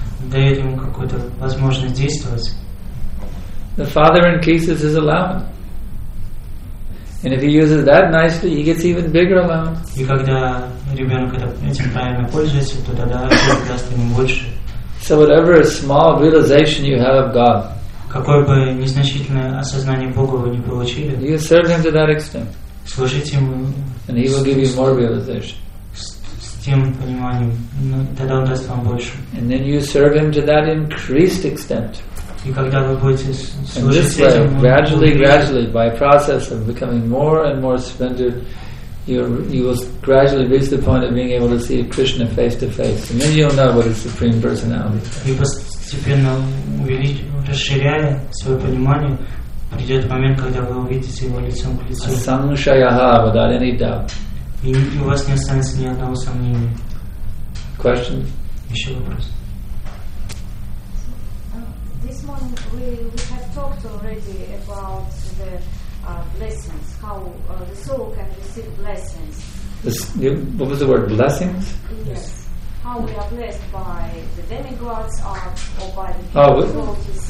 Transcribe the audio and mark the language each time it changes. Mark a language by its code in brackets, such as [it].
[ru] дает ему какую-то возможность действовать. [en] The father increases his allowance, and if he uses that nicely, he gets even bigger allowance. [ru] И когда ребенок этим правильно пользуется, то тогда отец даст ему больше. [en] So whatever small realization you have of God, [ru] какое бы незначительное осознание Бога вы не получили, [en] you serve Him to that extent. [ru] Служить ему, [en] and He will give you more realization. [ru] С тем пониманием, тогда Он даст вам больше. [en] And then you serve Him to that increased extent. [ru] И когда вы будете служить [en] this way, [ru] этому, [en] gradually, by a process of becoming more and more surrendered, you will gradually reach the point of being able to see Krishna face to face, and then you'll know what His Supreme Personality. [ru] И постепенно расширяя свое понимание. Придет момент, когда вы увидите его лицом к лицу. [en] Асамшаяха, without any doubt. [ru] И у вас не останется ни одного сомнения. [en] Question? [ru] Еще вопрос. [en] morning we have talked already about the blessings, how the soul can receive blessings. What was the word, blessings? Yes. How we are blessed by the demigods or by the devotees.